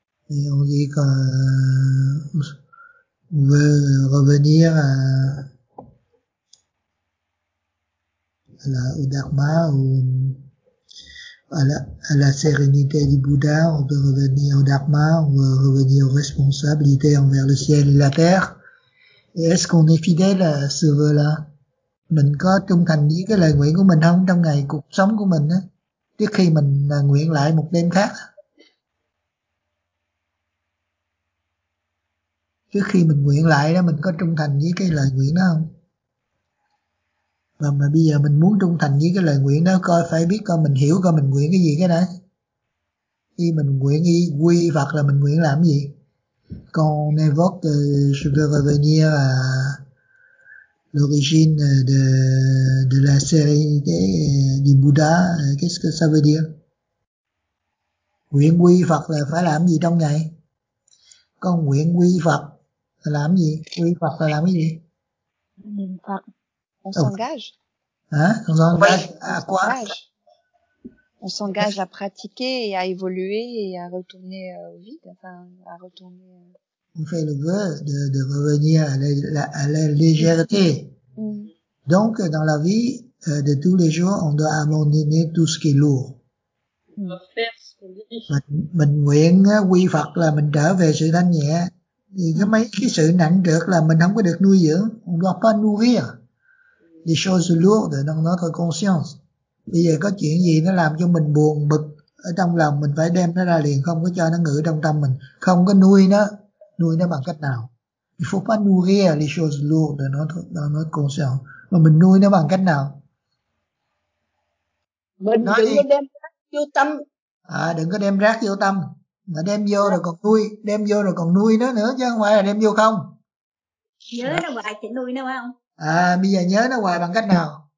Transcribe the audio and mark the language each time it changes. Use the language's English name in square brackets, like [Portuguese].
[French] On dit qu'on veut revenir au Dharma, à la sérénité du Bouddha. On veut revenir au Dharma, on veut revenir aux responsabilités envers le ciel et la terre. Et est-ce qu'on est fidèle à ce vœu-là? [Vietnamese] Mình có trung thành với cái lời nguyện của mình không trong ngày cuộc sống của mình á, trước khi mình nguyện lại một đêm khác? Trước khi mình nguyện lại đó, mình có trung thành với cái lời nguyện đó không? Và mà bây giờ mình muốn trung thành với cái lời nguyện đó, coi phải biết coi mình hiểu coi mình nguyện cái gì cái đó. Khi mình nguyện y quy Phật là mình nguyện làm gì? Con [French] invoque je veux revenir à l'origine de la sérénité du Bouddha, qu'est-ce que ça veut dire? [Vietnamese] Nguyện quy Phật là phải làm gì trong ngày? Con nguyện quy Phật là làm gì? Quy Phật là làm cái gì? Niệm Phật. [French] On s'engage. On s'engage à quoi? On s'engage à pratiquer et à évoluer et à retourner au vide, enfin à retourner on fait le vœu de revenir à la légèreté. Donc, dans la vie de tous les jours, on doit abandonner tout ce qui est lourd. [Vietnamese] Mình nguyện quy Phật là mình trở về sự thanh nhẹ. Thì cái mấy cái sự nặng trược là mình không có được nuôi dưỡng. [French] On doit pas nourrir les choses lourdes dans notre conscience. [Vietnamese] Bây giờ có chuyện gì nó làm cho mình buồn bực ở trong lòng, mình phải đem nó ra liền, không có cho nó ngự trong tâm mình, không có nuôi nó. Nuôi nó bằng cách nào? [French] Il faut pas nourrir les choses lourdes dans notre conscience. [Vietnamese] Mà mình nuôi nó bằng cách nào? Mình đừng có đem vô tâm. À, đừng có đem rác vô tâm, mà đem vô rồi còn nuôi, đem vô rồi còn nuôi nó nữa, chứ không phải là đem vô không. Nhớ nó hoài thì nuôi nó không? À, bây giờ nhớ nó hoài bằng cách nào?